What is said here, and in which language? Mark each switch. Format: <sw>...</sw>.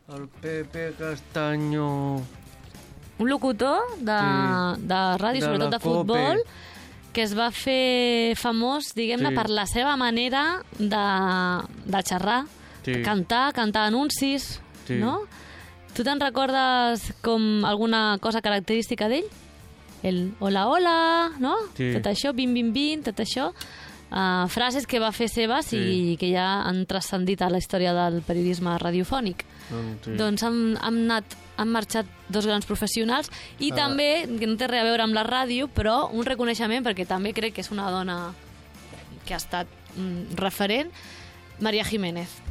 <ca>El Pepe Castaño. Un locutor de ràdio, de sobretot de futbol, Cope, que es va fer famós, diguem-ne, per la seva manera de xerrar, cantar anuncis, no?</ca> <es>¿Tú te recuerdas con alguna cosa característica de él? El hola, hola, ¿no? Sí.</es> <ca>Tot això, bim, bim, bim, tot això. Frases que va fer seves sí. i que ja han transcendit a la història del periodisme radiofònic. Sí. Doncs han marxat dos grans professionals i també, que no té res a veure amb la ràdio, però un reconeixement, perquè també crec que és una dona que ha estat referent, Maria Jiménez.</ca>